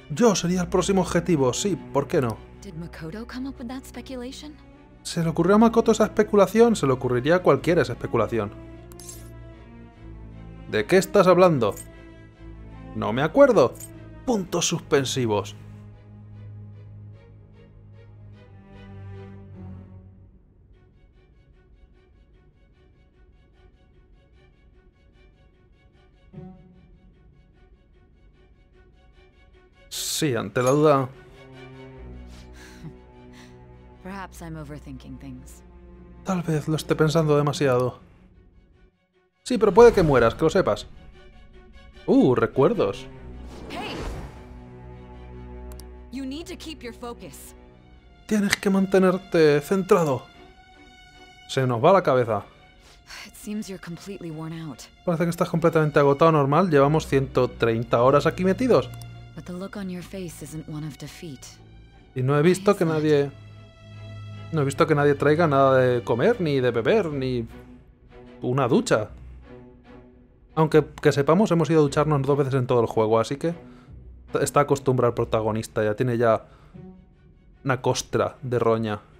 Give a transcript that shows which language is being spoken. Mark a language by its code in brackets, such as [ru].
[es] Yo sería el próximo objetivo, sí, ¿por qué no? [en] Did Makoto come up with that speculation? [es] ¿Se le ocurrió a Makoto esa especulación? Se le ocurriría a cualquiera esa especulación. ¿De qué estás hablando? No me acuerdo. Puntos suspensivos. Sí, ante la duda. [en] Perhaps I'm overthinking things. [es] Tal vez lo esté pensando demasiado. Sí, pero puede que mueras, que lo sepas. Recuerdos. [en] Hey. You need to keep your focus. [es] Tienes que mantenerte centrado. Se nos va la cabeza. [en] It seems you're completely worn out. [es] Parece que estás completamente agotado, normal. Llevamos 130 horas aquí metidos. [en] But the look on your face isn't one of defeat. [es] Y no he visto que nadie... No he visto que nadie traiga nada de comer, ni de beber, ni una ducha. Aunque, que sepamos, hemos ido a ducharnos dos veces en todo el juego, así que... Está acostumbrado al protagonista, ya tiene ya una costra de roña.